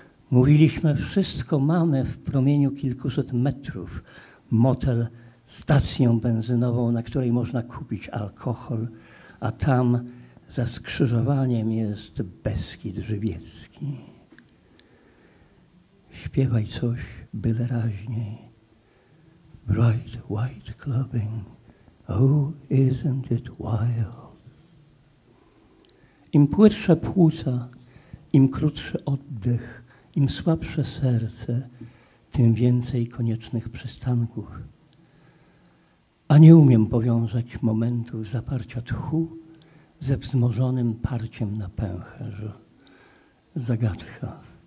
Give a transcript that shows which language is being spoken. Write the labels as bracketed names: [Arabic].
[Polish] Mówiliśmy, wszystko mamy w promieniu kilkuset metrów. Motel stacją benzynową, na której można kupić alkohol, a tam za skrzyżowaniem jest Beskid Żywiecki. Śpiewaj coś byle raźniej. [English] Bright white clubbing, oh isn't it wild. [Polish] Im płytsze płuca, im krótszy oddech, im słabsze serce, tym więcej koniecznych przystanków. A nie umiem powiązać momentów zaparcia tchu ze wzmożonym parciem na pęcherz. Zagadka.